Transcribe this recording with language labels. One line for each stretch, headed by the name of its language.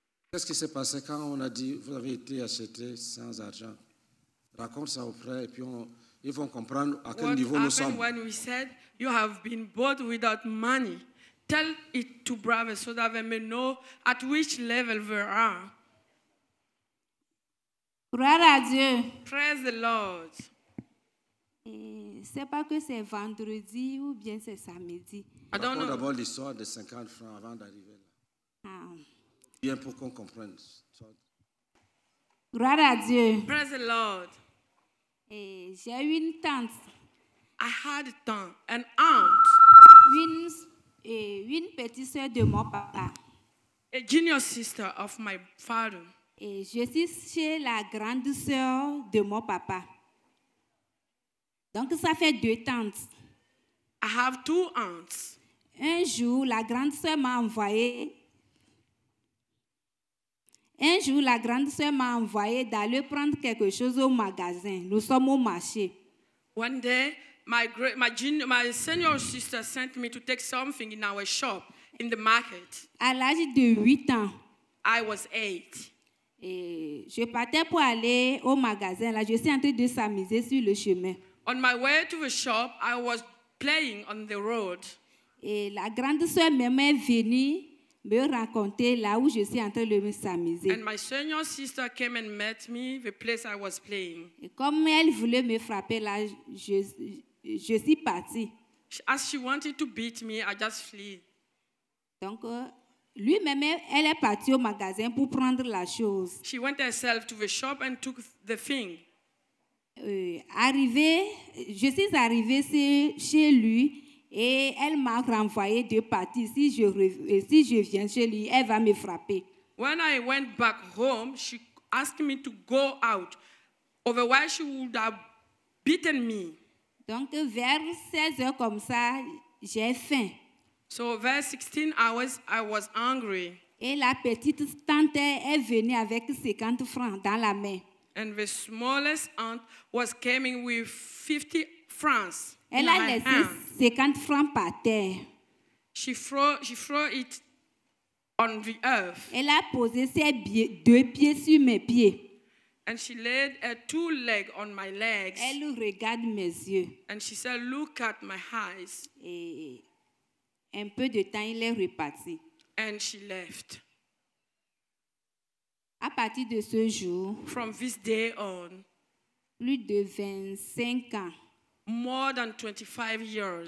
French: Qu'est-ce qui s'est passé quand on a dit vous avez été acheté sans argent? Raconte ça aux frères et puis ils vont comprendre à quel
English: what
French: niveau nous sommes.
English: What happened when we said you have been bought without money? Tell it to brothers so that they may know at which level we are.
French: Gloire à Dieu.
English: Praise the Lord.
French: Et c'est pas que c'est vendredi ou bien c'est samedi. Raconte d'abord l'histoire des 50 francs avant d'arriver là. Bien pour qu'on comprenne. Gloire à Dieu.
English: Praise the Lord.
French: Et j'ai eu une tante.
English: I had a tante, an aunt.
French: Une petite soeur de mon papa.
English: A junior sister of my father.
French: Et je suis chez la grande soeur de mon papa. Donc ça fait deux tantes.
English: I have two aunts.
French: Un jour, la grande soeur m'a envoyé. Un jour, la grande sœur m'a envoyé d'aller prendre quelque chose au magasin. Nous sommes au marché.
English: One day, my senior sister sent me to take something in our shop, in the market.
French: À l'âge de 8 ans.
English: I was 8.
French: Et je partais pour aller au magasin. Là, je suis en train de s'amuser sur le chemin.
English: On my way to the shop, I was playing on the road.
French: Et la grande sœur même est venue me raconter là où je suis en train de me s'amuser.
English: And my senior sister came and met me the place I was playing.
French: Et comme elle voulait me frapper là, je suis partie.
English: As she wanted to beat me, I just flee.
French: Donc lui-même, elle est partie au magasin pour prendre la chose.
English: She went herself to the shop and took the thing.
French: Je suis arrivée chez lui. Et elle m'a renvoyé de partir. Si je viens chez lui, elle va me frapper.
English: When I went back home, she asked me to go out. Otherwise, she would have beaten me.
French: Donc vers 16 heures comme ça, j'ai faim.
English: So vers 16 hours, I was hungry.
French: Et la petite tante est venue avec 50 francs dans la main.
English: And the smallest aunt was coming with 50 francs.
French: Elle a laissé 50 francs par terre.
English: She threw it on the earth.
French: Elle a posé ses deux pieds sur mes pieds.
English: And she laid her two legs on my legs.
French: Elle regarde mes yeux.
English: And she said, look at my eyes.
French: Et un peu de temps, il est reparti.
English: And she left.
French: À partir de ce jour,
English: from this day on,
French: plus de 25 ans,
English: more than 25 years.